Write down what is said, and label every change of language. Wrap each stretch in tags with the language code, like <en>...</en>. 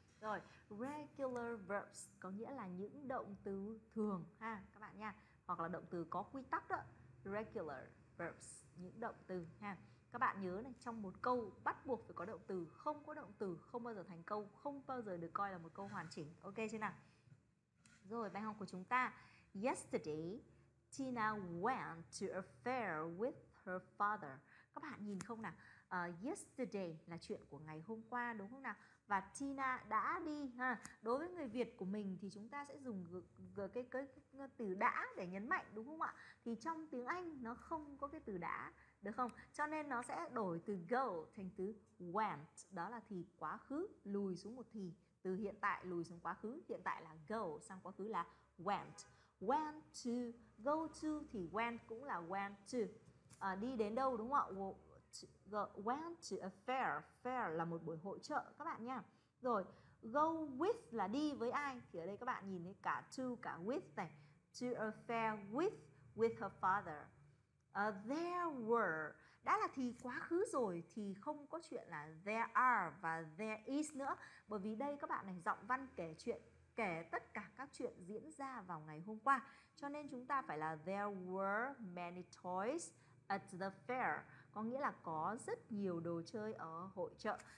<vi>Rồi, regular verbs có nghĩa là những động từ thường ha các bạn nha. Hoặc là động từ có quy tắc đó. Regular verbs, những động từ ha. Các bạn nhớ này, trong một câu bắt buộc phải có động từ, không có động từ không bao giờ thành câu, không bao giờ được coi là một câu hoàn chỉnh. Ok chưa nào? Rồi, bài học của chúng ta.</vi> <en>Yesterday, Tina went to a fair with her father.</en> <vi>Các bạn nhìn không nào? Yesterday là chuyện của ngày hôm qua đúng không nào? Và Tina đã đi ha. Đối với người Việt của mình thì chúng ta sẽ dùng cái từ đã để nhấn mạnh đúng không ạ? Thì trong tiếng Anh nó không có cái từ đã, được không? Cho nên nó sẽ đổi từ go thành từ went, đó là thì quá khứ lùi xuống một thì, từ hiện tại lùi xuống quá khứ, hiện tại là go sang quá khứ là went.</vi> <en>Went to, go to thì went cũng là went to.</en> <vi>Đi đến đâu đúng không ạ?</vi> <en>Went to a fair,</en> <vi>fair là một buổi hội chợ các bạn nha. Rồi, go with là đi với ai? Thì ở đây các bạn nhìn thấy cả to cả with này.</vi> <en>To a fair with her father.</en> <vi>There were, đã là thì quá khứ rồi thì không có chuyện là there are và there is nữa. Bởi vì đây các bạn này, giọng văn kể chuyện, kể tất cả các chuyện diễn ra vào ngày hôm qua. Cho nên chúng ta phải là</vi> <en>there were many toys at the fair,</en> <vi>có nghĩa là có rất nhiều đồ chơi ở hội chợ.</vi>